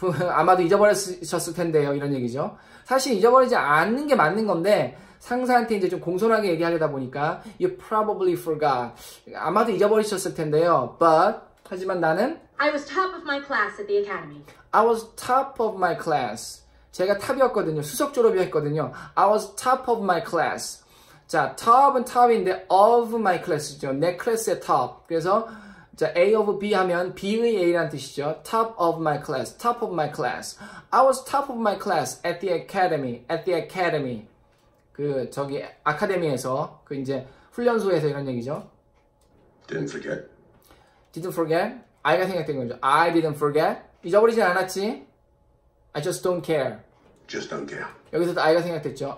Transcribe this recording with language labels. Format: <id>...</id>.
<ko>아마도 잊어버리셨을 텐데요. 이런 얘기죠. 사실 잊어버리지 않는 게 맞는 건데 상사한테 이제 좀 공손하게 얘기하려다 보니까</ko> <en>you probably forgot.</en> <ko>아마도 잊어버리셨을 텐데요. But 하지만 나는</ko> <en>I was top of my class at the academy. I was top of my class.</en> <ko>제가 탑이었거든요. 수석 졸업이었거든요.</ko> <en>I was top of my class.</en> <ko>자, top은 top인데 of my class죠. 내 클래스의 top. 그래서 자, A of B 하면 B의 A라는 뜻이죠.</ko> <en>Top of my class. Top of my class. I was top of my class at the academy. At the academy.</en> <ko>그 저기 아카데미에서 그 이제 훈련소에서 이런 얘기죠.</ko> <en>Didn't forget. Didn't forget.</en> <ko>I가 생각된 거죠.</ko> <en>I didn't forget.</en> <ko>잊어버리진 않았지.</ko> <en>I just don't care. Just don't care.</en> <ko>여기서도 I가 생각됐죠.</ko>